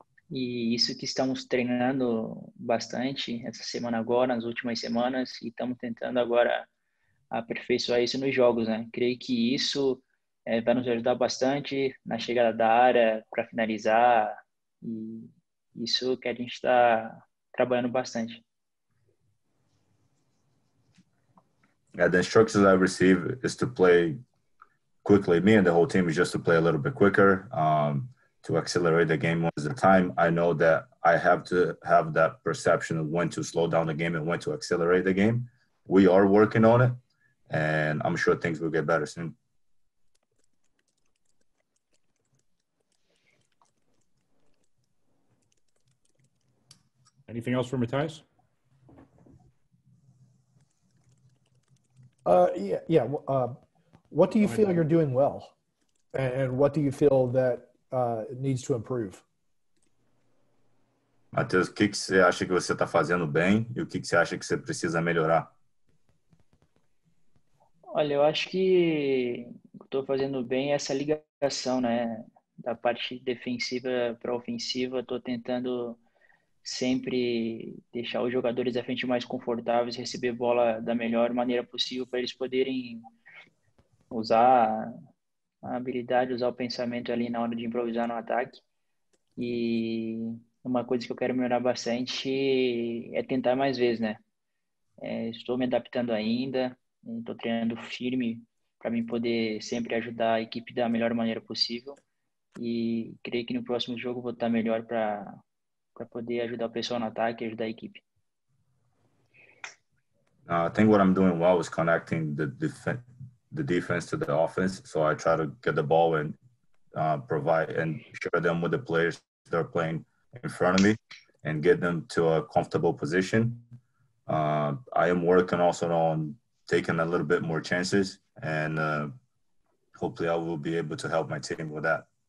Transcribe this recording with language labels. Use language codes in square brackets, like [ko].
[pt] E isso que estamos treinando bastante essa semana agora, nas últimas semanas, e estamos tentando agora aperfeiçoar isso nos jogos, né? Creio que isso vai nos ajudar bastante na chegada da área para finalizar, e isso que a gente está trabalhando bastante. [en] Yeah, the instructions I receive is to play quickly. Me and the whole team is just to play a little bit quicker, to accelerate the game one at a time. I know that I have to have that perception of when to slow down the game and when to accelerate the game. We are working on it, and I'm sure things will get better soon. Anything else for Matthijs? What do you Go ahead, feel you're Dan. doing well, and what do you feel that needs to improve? [pt] Matheus, o que que você acha que você está fazendo bem e o que que você acha que você precisa melhorar? Olha, eu acho que estou fazendo bem essa ligação, né, da parte defensiva para ofensiva. Estou tentando sempre deixar os jogadores à frente mais confortáveis, receber bola da melhor maneira possível para eles poderem usar a habilidade, usar o pensamento ali na hora de improvisar no ataque. E uma coisa que eu quero melhorar bastante é tentar mais vezes, né? É, estou me adaptando ainda, estou treinando firme para mim poder sempre ajudar a equipe da melhor maneira possível. E creio que no próximo jogo vou estar melhor para poder ajudar o pessoal no ataque, ajudar a equipe. [en] I think what I'm doing well is connecting the defense to the offense. So I try to get the ball and provide and share them with the players that are playing in front of me and get them to a comfortable position. I am working also on taking a little bit more chances, and hopefully I will be able to help my team with that.